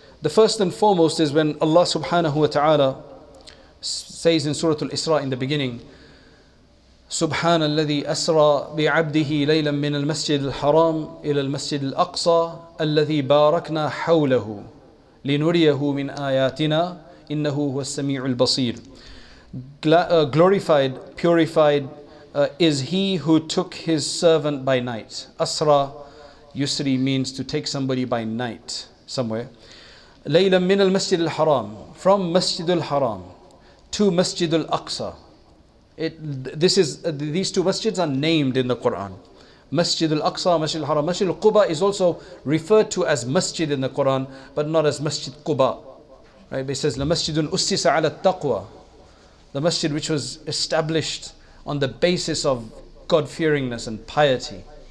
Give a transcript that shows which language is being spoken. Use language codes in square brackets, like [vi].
[en] The first and foremost is when Allah subhanahu wa ta'ala says in Surah Al-Isra in the beginning, [ar] سبحان الذي أسرى بعبده ليلا من المسجد الحرام إلى المسجد الأقصى الذي باركنا حوله لنريه من آياتنا إنه هو السميع البصير. [en] Glorified, purified is he who took his servant by night. [ar] أسرى, يسري [en] means to take somebody by night somewhere. [ar] ليلا من المسجد الحرام, [en] from [ar] مسجد الحرام [en] to [ar] مسجد الأقصى. [en] These two masjids are named in the Quran. Masjid al-Aqsa, Masjid al-Haram. Masjid al-Quba is also referred to as masjid in the Quran, but not as Masjid Quba. Right? It says, [ar] La masjidun ussisa ala taqwa. [en] The masjid which was established on the basis of God-fearingness and piety.